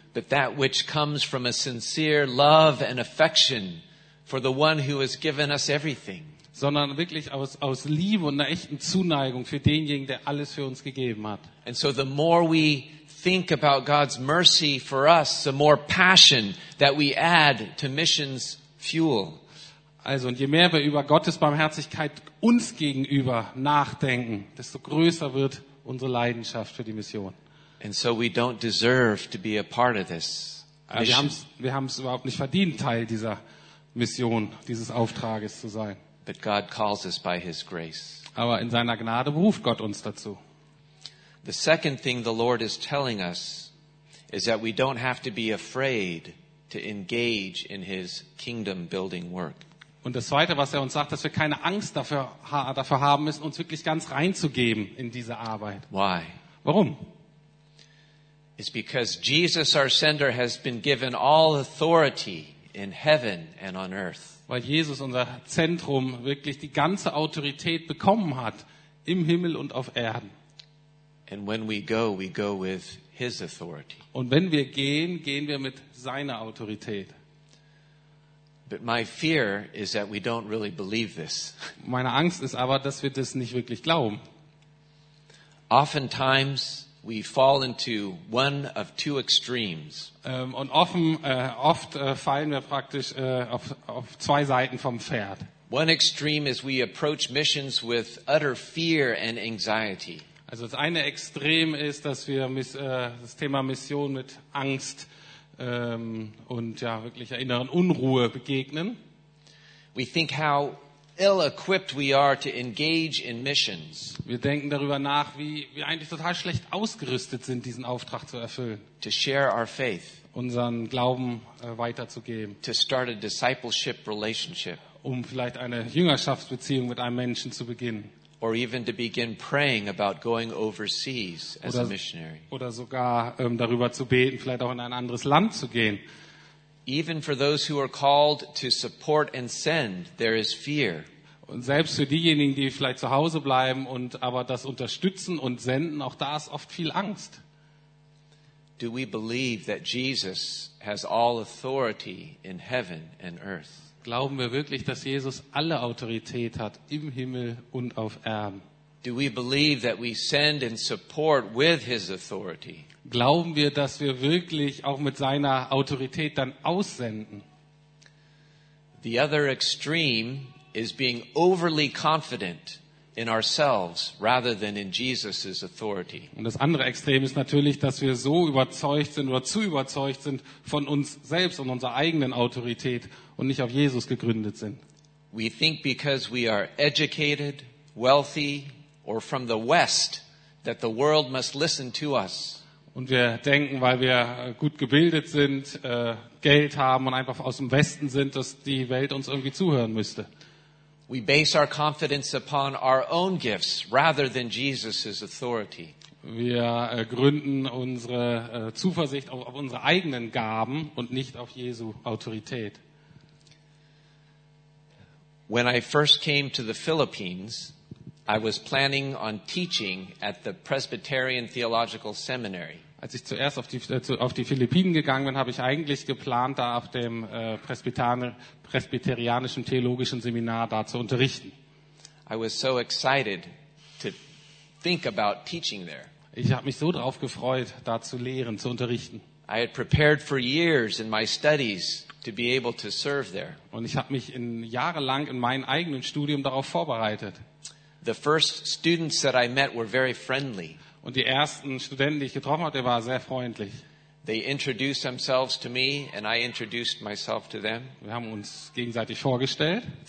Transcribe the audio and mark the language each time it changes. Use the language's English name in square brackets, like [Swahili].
[English] But that which comes from a sincere love and affection for the one who has given us everything. [German] Sondern wirklich aus Liebe und einer echten Zuneigung für denjenigen, der alles für uns gegeben hat. [English] And so the more we think about God's mercy for us, the more passion that we add to missions fuel. [German] Also und je mehr wir über Gottes Barmherzigkeit uns gegenüber nachdenken, desto größer wird unsere Leidenschaft für die Mission. [English] And so we don't deserve to be a part of this. [German] Wir haben es überhaupt nicht verdient, Teil dieser Mission, dieses Auftrages zu sein. [English] But God calls us by his grace. [German] Aber in seiner Gnade ruft Gott uns dazu. [English] The second thing the Lord is telling us is that we don't have to be afraid to engage in his kingdom building work. [German] Und das zweite, was er uns sagt, dass wir keine Angst dafür haben müssen, uns wirklich ganz reinzugeben in diese Arbeit. [English] Why? [German] Warum? [English] It's because Jesus our sender has been given all authority in heaven and on earth. [German] Weil Jesus unser Zentrum wirklich die ganze Autorität bekommen hat im Himmel und auf Erden. [English] And when we go with his authority. [German] Und wenn wir gehen, gehen wir mit seiner Autorität. [English] But my fear is that we don't really believe this. [German] Meine Angst ist aber, dass wir das nicht wirklich glauben. [English] Oftentimes we fall into one of two extremes. [German] Und oft fallen wir praktisch auf zwei Seiten vom Pferd. [English] One extreme is we approach missions with utter fear and anxiety. [German] Also das eine Extrem ist, dass wir das Thema Mission mit Angst und ja wirklich inneren Unruhe begegnen. [English] We think how ill-equipped we are to engage in missions. [German] Wir denken darüber nach, wie wir eigentlich total schlecht ausgerüstet sind, diesen Auftrag zu erfüllen. [English] To share our faith. [German] Unseren Glauben weiterzugeben. [English] To start a discipleship relationship. [German] Um vielleicht eine Jüngerschaftsbeziehung mit einem Menschen zu beginnen. [English] Or even to begin praying about going overseas as a missionary. [German] Oder sogar darüber zu beten, vielleicht auch in ein anderes Land zu gehen. [English] Even for those who are called to support and send, there is fear. [German] Und selbst für diejenigen, die vielleicht zu Hause bleiben und aber das unterstützen und senden, auch da ist oft viel Angst. [English] Do we believe that Jesus has all authority in heaven and earth? [German] Glauben wir wirklich, dass Jesus alle Autorität hat im Himmel und auf Erden? [English] Do we believe that we send and support with his authority? [German] Glauben wir, dass wir wirklich auch mit seiner Autorität dann aussenden? [English] The other extreme is being overly confident in ourselves rather than in Jesus's authority. [German] Und das andere Extrem ist natürlich, dass wir so überzeugt sind oder zu überzeugt sind von uns selbst und unserer eigenen Autorität und nicht auf Jesus gegründet sind. [English] We think because we are educated, wealthy or from the West that the world must listen to us. [German] Und wir denken, weil wir gut gebildet sind, Geld haben und einfach aus dem Westen sind, dass die Welt uns irgendwie zuhören müsste. [English] We base our confidence upon our own gifts rather than Jesus's authority. [German] Wir gründen unsere Zuversicht auf unsere eigenen Gaben und nicht auf Jesu Autorität. [English] When I first came to the Philippines, I was planning on teaching at the Presbyterian Theological Seminary. [German] Als ich zuerst auf die Philippinen gegangen bin, habe ich eigentlich geplant, da auf dem Presbyterianischen Theologischen Seminar da zu unterrichten. [English] I was so excited to think about teaching there. [German] Ich habe mich so darauf gefreut, da zu lehren, zu unterrichten. [English] I had prepared for years in my studies to be able to serve there. [German] Und ich habe mich jahrelang in meinem eigenen Studium darauf vorbereitet. [English] The first students that I met were very friendly. [German] Und die ersten Studenten, die ich getroffen habe, waren sehr freundlich. [English] They introduced themselves to me and I introduced myself to them. [German] Wir haben uns gegenseitig vorgestellt.